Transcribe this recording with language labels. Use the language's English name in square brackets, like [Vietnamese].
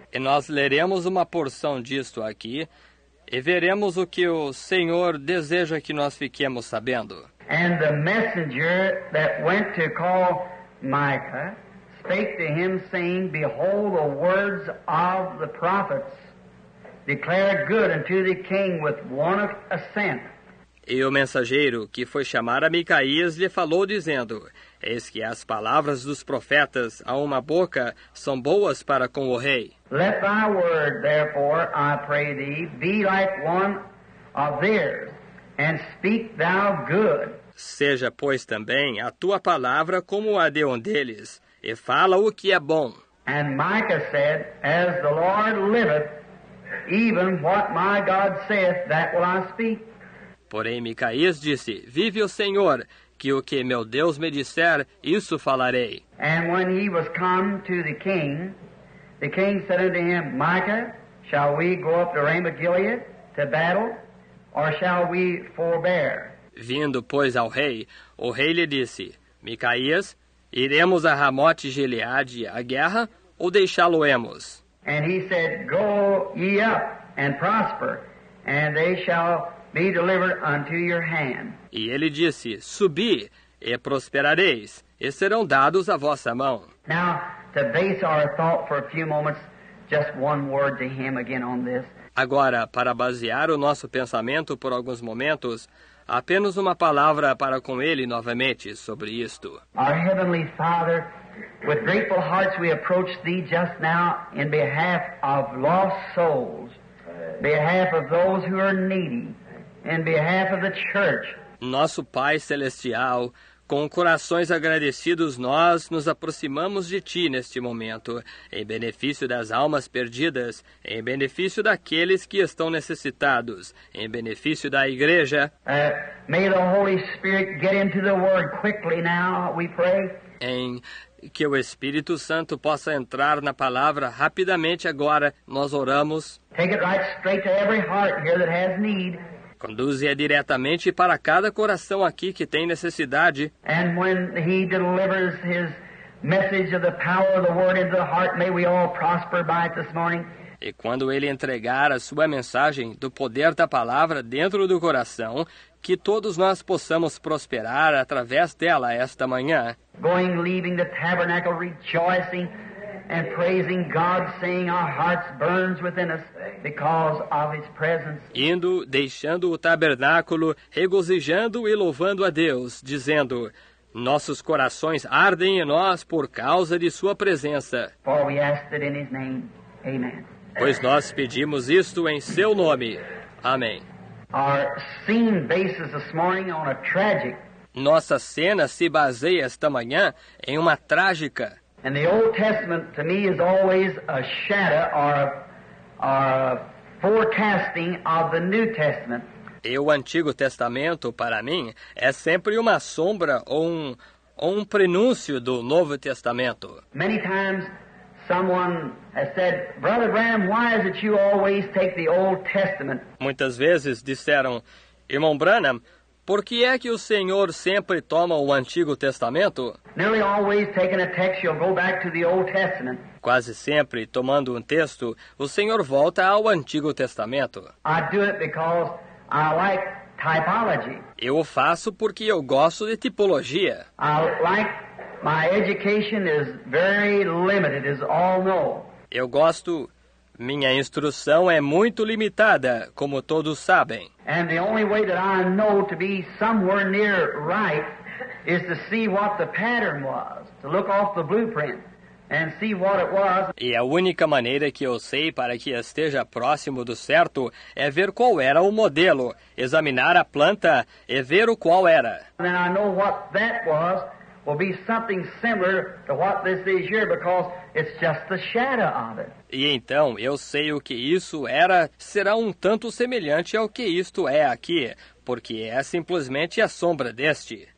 [Portuguese] E nós leremos uma porção disto aqui e veremos o que o Senhor deseja que nós fiquemos sabendo. [English] And the messenger that went to call Micah spake to him, saying, Behold, the words of the prophets declare good unto the king with one assent. [Portuguese] E o mensageiro que foi chamar a Micaías lhe falou, dizendo, Eis que as palavras dos profetas a uma boca são boas para com o rei. [English] Let thy word, therefore, I pray thee, be like one of theirs, and speak thou good. [Portuguese] Seja, pois, também a tua palavra como a de um deles, e fala o que é bom. [English] And Micah said, As the Lord liveth, even what my God saith, that will I speak. [Portuguese] Porém, Micaías disse, Vive o Senhor, que o que meu Deus me disser, isso falarei. [English] And when he was come to the king said unto him, Micah, shall we go up to Ramah-Gilead to battle, or shall we forbear? [Portuguese] Vindo, pois, ao rei, o rei lhe disse, Micaías, iremos a Ramote-Gileade à guerra, ou deixá-lo-emos? [English] And he said, Go ye up and prosper, and they shall be delivered unto your hand. [Portuguese] E ele disse, Subi, e prosperareis, e serão dados à vossa mão. [English] Now, to base our thought for a few moments, just one word to him again on this. [Portuguese] Agora, para basear o nosso pensamento por alguns momentos, apenas uma palavra para com ele novamente sobre isto. [English] Our Heavenly Father, with grateful hearts we approach Thee just now in behalf of lost souls, behalf of those who are needy, in behalf of the church. [Portuguese] Nosso Pai Celestial, com corações agradecidos, nós nos aproximamos de Ti neste momento, em benefício das almas perdidas, em benefício daqueles que estão necessitados, em benefício da Igreja. [English] May the Holy Spirit get into the Word quickly now, we pray. [Portuguese] Em que o Espírito Santo possa entrar na Palavra rapidamente agora, nós oramos. [English] Take it right straight to every heart here that has need. [Portuguese] Conduza-a diretamente para cada coração aqui que tem necessidade. [English] And when he delivers his message of the power of the word into the heart, may we all prosper by it this morning. [Portuguese] E quando ele entregar a sua mensagem do poder da palavra dentro do coração, que todos nós possamos prosperar através dela esta manhã. [English] Going, leaving the tabernacle, rejoicing and praising God, saying our hearts burns within us because of His presence. [Portuguese] Indo, deixando o tabernáculo, regozijando e louvando a Deus, dizendo, nossos corações ardem em nós por causa de Sua presença. [English] For we ask it in His name. Amen. [Portuguese] Pois nós pedimos isto em Seu nome. Amém. [English] Our scene bases this morning on a tragic. [Portuguese] Nossa cena se baseia esta manhã em uma trágica. [English] And the Old Testament to me is always a shadow or a forecasting of the New Testament. [Portuguese] E o Antigo Testamento para mim é sempre uma sombra ou um prenúncio do Novo Testamento. [English] Many times someone has said, Brother Graham, why is it you always take the Old Testament? [Portuguese] Muitas vezes disseram, Irmão Branham, por que é que o Senhor sempre toma o Antigo Testamento? [English] Nearly always taking a text, you'll go back to the Old Testament. [Portuguese] Quase sempre, tomando texto, o Senhor volta ao Antigo Testamento. [English] I do it because I like typology. [Portuguese] Eu o faço porque eu gosto de tipologia. [English] I like my education is very limited, as all know. [Portuguese] Eu gosto... Minha instrução é muito limitada, como todos sabem. [English] And the only way that I know to be somewhere near right is to see what the pattern was, to look off the blueprint and see what it was. [Portuguese] E a única maneira que eu sei para que esteja próximo do certo é ver qual era o modelo, examinar a planta e ver o qual era. [English] And I know what that was will be something similar to what this is here because it's just the shadow of it. [Portuguese] E então, eu sei o que isso era, será um tanto semelhante ao que isto é aqui, porque é simplesmente a sombra deste.